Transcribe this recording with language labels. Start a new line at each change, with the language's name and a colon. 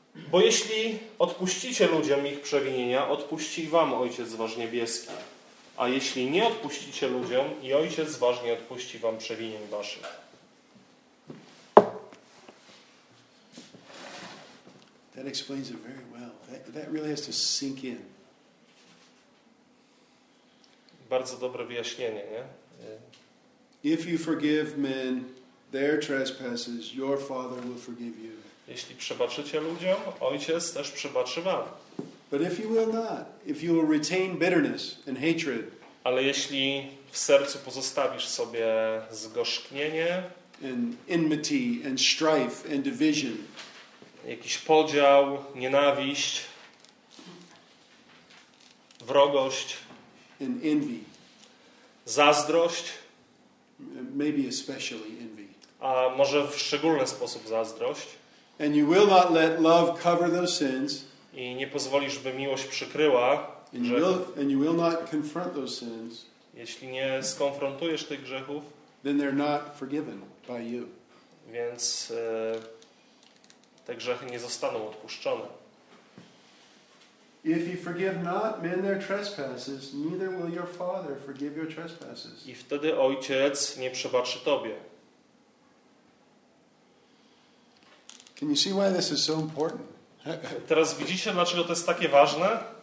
Polish: Bo jeśli odpuścicie ludziom ich przewinienia, odpuści wam Ojciec Wasz Niebieski. A jeśli nie odpuścicie ludziom, i Ojciec wasz nie odpuści wam przewinień waszych.
English: That explains it very well. That really has to sink in.
Polish: Bardzo dobre wyjaśnienie, nie?
English: If you forgive men their trespasses, your Father will forgive you.
Polish: Jeśli przebaczycie ludziom, Ojciec też przebaczy wam.
English: But if you will not, if you will retain bitterness and hatred,
Polish: ale jeśli w sercu pozostawisz sobie zgorzknienie,
English: and enmity and strife and division,
Polish: jakiś podział, nienawiść, wrogość,
English: and envy,
Polish: zazdrość,
English: maybe especially envy,
Polish: a może w szczególny sposób zazdrość,
English: and you will not let love cover those sins,
Polish: i nie pozwolisz, by miłość przykryła,
English: and you will not confront those sins,
Polish: jeśli nie skonfrontujesz tych grzechów,
English: then they're not forgiven by you.
Polish: Więc te grzechy nie zostaną odpuszczone.
English: If you forgive not men their trespasses, neither will your Father forgive your trespasses.
Polish: I wtedy Ojciec nie przebaczy tobie.
English: Can you see why this is so important?
Polish: Teraz widzicie, dlaczego to jest takie ważne?